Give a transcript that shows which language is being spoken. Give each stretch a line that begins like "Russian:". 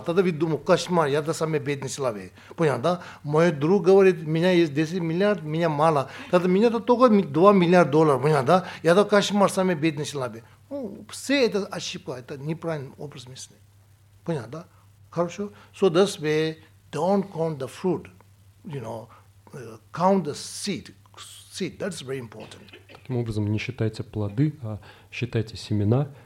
Russian: Тогда вы думаете, кошмар, я-то самый бедный человек, понял, да? Мой друг говорит, у меня есть 10 000 000, меня мало. Тогда меня только 2 000 000 долларов, понял, да? Я-то кошмар, самый бедный человек. Все это ошибка, это неправильный образ мысли. Понял, да? Хорошо?
English: So that's way. Don't count the fruit, you know, count the seed. Seed, that's very important.
Russian: Таким образом, не считайте плоды, а считайте семена.